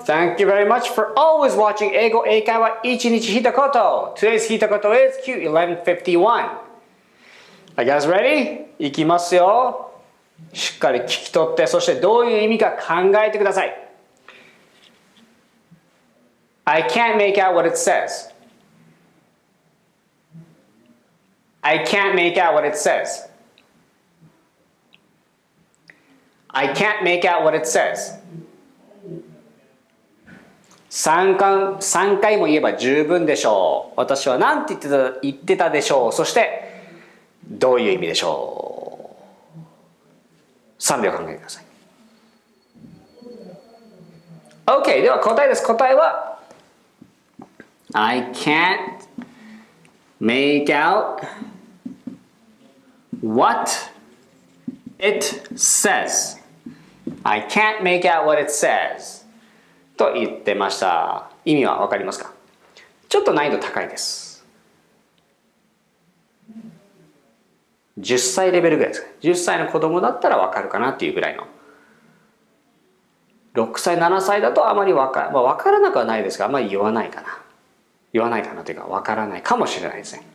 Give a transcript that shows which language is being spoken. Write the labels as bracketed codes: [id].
[en] Thank you very much for always watching [ja] 英語英会話一日ひとこと。 [en] Today's ひとこと is Q1151. Are you guys ready? [ja] 行きますよ。しっかり聞き取って、そしてどういう意味か考えてください。 [en] I can't make out what it says. I can't make out what it says. I can't make out what it says. [ja] 3回も言えば十分でしょう。私は何て言ってたでしょう。そしてどういう意味でしょう。 3秒考えてください。 OK、 では答えです。答えは [en] I can't make out what it says. I can't make out what it says. [ja] と言ってました。意味はわかりますか？ちょっと難易度高いです。 10歳レベルぐらいですか。10歳の子供だったらわかるかなっていうぐらいの。 6歳7歳だとあまりわからなくはないですが、あまり言わないかなというか、わからないかもしれないですね。